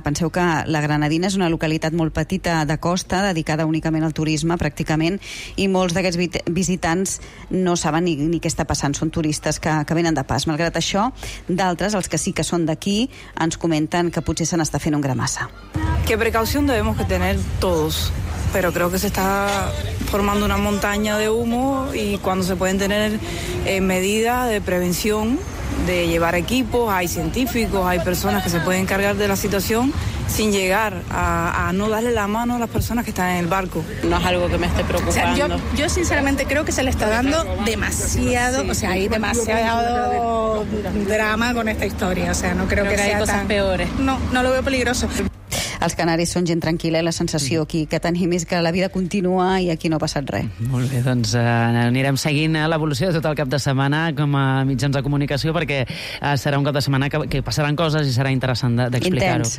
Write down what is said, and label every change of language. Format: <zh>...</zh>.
<ca>Penseu que la Granadina és una localitat molt petita de costa, dedicada únicament al turisme, pràcticament, i molts d'aquests visitants no saben ni què està passant, són turistes que venen de pas. Malgrat això, d'altres, els que sí que són d'aquí, ens comenten que potser se n'està fent un gran massa.</ca> <es>¿Qué precaución debemos que tener todos? Pero creo que se está formando una montaña de humo y cuando se pueden tener medidas de prevención, de llevar equipos, hay científicos, hay personas que se pueden encargar de la situación sin llegar a no darle la mano a las personas que están en el barco. No es algo que me esté preocupando. O sea, yo sinceramente creo que se le está dando demasiado, o sea, hay demasiado drama con esta historia, o sea, no creo que sea tan peores. No lo veo peligroso.</es> <ca>Els canaris són gent tranquil·la i la sensació aquí que tenim és que la vida continua i aquí no ha passat res. Molt bé, doncs anirem seguint l'evolució de tot el cap de setmana com a mitjans de comunicació, perquè serà un cap de setmana que passaran coses i serà interessant d'explicar-ho.</ca>